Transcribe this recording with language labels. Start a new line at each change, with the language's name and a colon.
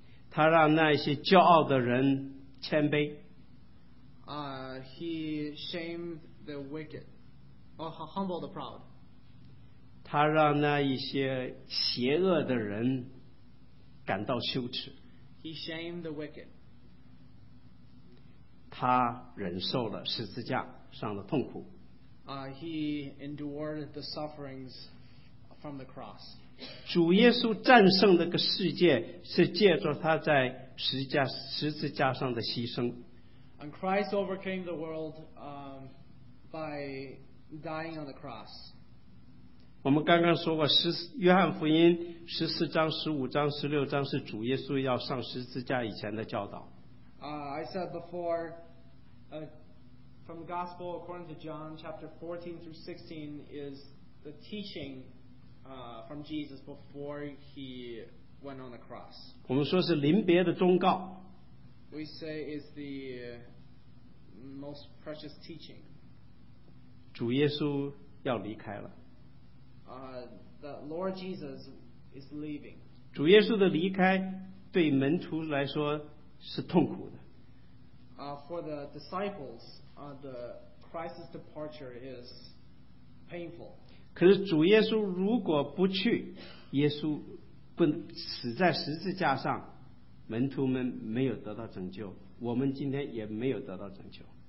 Chinese: 他让那些骄傲的人谦卑。
English: He shamed the wicked, or humbled the proud.
Chinese: 他让那一些邪恶的人感到羞耻。
English: He shamed the wicked.
Chinese: 他忍受了十字架上的痛苦。
English: He endured the sufferings from the cross.
Chinese: 主耶稣战胜那个世界是借着他在十字架上的牺牲。
English: And Christ overcame the world by dying on the cross.
Chinese: 我们刚刚说过约翰福音十四章十五章十六章是主耶稣要上十字架以前的教导。
English: I said before, from the gospel according to John chapter 14 through 16 is the teachingfrom Jesus before he went on the cross.
Chinese: 我们说是临别的忠告。
English: We say it's the most precious teaching.
Chinese: 主耶稣要离开了。
English: The Lord Jesus is leaving.
Chinese: 主耶稣的离开对门徒来说是痛苦的。
English: For the disciples, the Christ's departure is painful.
Chinese: 可是主耶稣如果不去，耶稣不死在十字架上，门徒们没有得到拯救，我们今天也没有得到拯救。